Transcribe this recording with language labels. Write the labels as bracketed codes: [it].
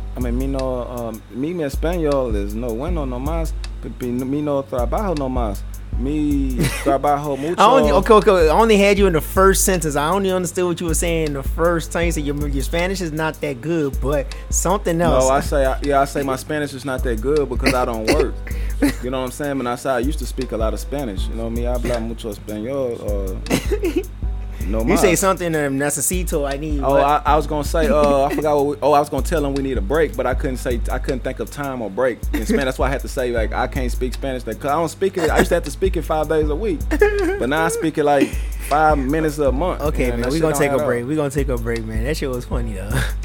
[en] I mean [es] mi español [en] is [es] no bueno no más. Mi no trabajo no más. Mi trabajo mucho. [en] I only had you in the first sentence. I only understood what you were saying the first time. So your Spanish is not that good, but something else. No, I say my Spanish is not that good because I don't work. You know what I'm saying? And I say I used to speak a lot of Spanish. You know me, I [es] habla mucho español. [en] No you say something that [es] necesito. [en] I need. Oh, I was gonna say. I forgot. I was gonna tell him we need a break, but I couldn't say. I couldn't think of time or break in Spanish. That's why I had to say like I can't speak Spanish. That cause I don't speak it. I used to have to speak it 5 days a week, but now I speak it like 5 minutes a month. Okay, man. We gonna take a break. We gonna take a break, man. That shit was funny though.